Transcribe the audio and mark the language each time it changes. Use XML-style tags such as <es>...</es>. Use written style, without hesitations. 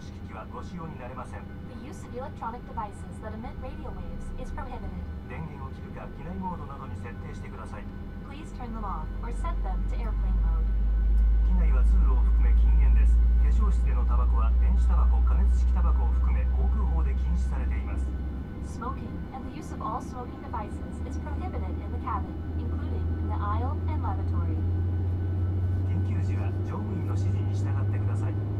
<en>The use of electronic devices that emit radio waves is prohibited.</en> <ja>電源を切るか機内モードなどに設定してください。</ja> <en>Please turn them off or set them to airplane mode.</en> <ja>機内は通路を含め禁煙です。化粧室でのタバコは電子タバコ、加熱式タバコを含め航空法で禁止されています。</ja> <en>Smoking and the use of all smoking devices is prohibited in the cabin, including in the aisle and lavatory.</en> <ja>緊急時は乗務員の指示に従ってください。</ja>